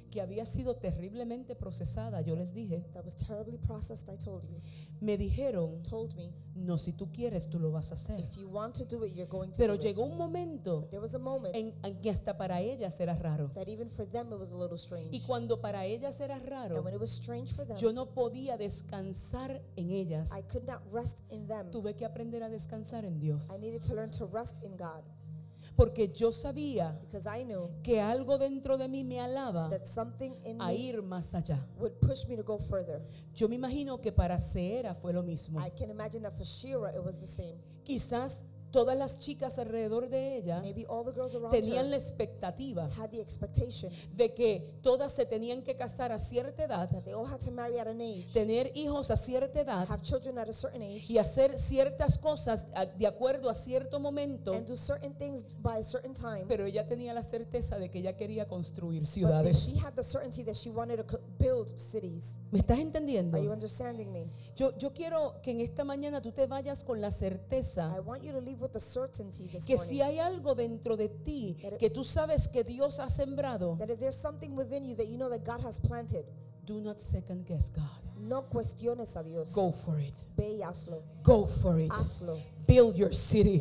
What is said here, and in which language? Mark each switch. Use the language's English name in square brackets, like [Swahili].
[Spanish] que había sido terriblemente procesada, yo les dije, [English] that was terribly processed, I told you, [Spanish] me dijeron, [English] told me, [Spanish] no, si tú quieres, tú lo vas a hacer. [English] If you want to do it, you're going to [Spanish] pero [English] do [Spanish] llegó [English] it. [Spanish] Un momento [English] there was a moment [Spanish] en que hasta para ellas era raro. [English] That even for them it was a little strange. [Spanish] Y cuando para ellas era raro, [English] and when it was strange for them, [Spanish] yo no podía descansar en ellas. [English] I could not rest in them. [Spanish] Tuve que aprender a descansar en Dios. [English] I needed to learn to rest in God. [Spanish] Porque yo sabía que algo dentro de mí me alaba a ir más allá. [English] Would push me to go further. [Spanish] Yo me imagino que para Sierra fue lo mismo. [English] I can imagine that for Shira it was the same. [Spanish] Quizás todas las chicas alrededor de ella, [English] maybe all the girls around [Spanish] tenían [English] her [Spanish] la expectativa, [English] had the expectation [Spanish] de que todas se tenían que casar a cierta edad, [English] that they all had to marry at an age, [Spanish] tener hijos a cierta edad, [English] have children at a certain age, [Spanish] y hacer ciertas cosas de acuerdo a cierto momento, [English] and do certain things by a certain time. [Spanish] Pero ella tenía la certeza de que ella quería construir ciudades. [English] But she had the certainty that she wanted to build cities. [Spanish] ¿Me estás entendiendo? [English] Are you understanding me? [Spanish] Yo quiero que en esta mañana tú te vayas con la certeza. [English] I want you to leave with the certainty this morning, [Spanish] que si hay algo dentro de ti que tú sabes que Dios ha sembrado, [English] that if there's something within you that you know that God has planted, do not second guess God. [Spanish] No cuestiones a Dios. [English] Go for it. [Spanish] Ve y hazlo. [English] Go for it. [Spanish] Hazlo. [English] Build your city.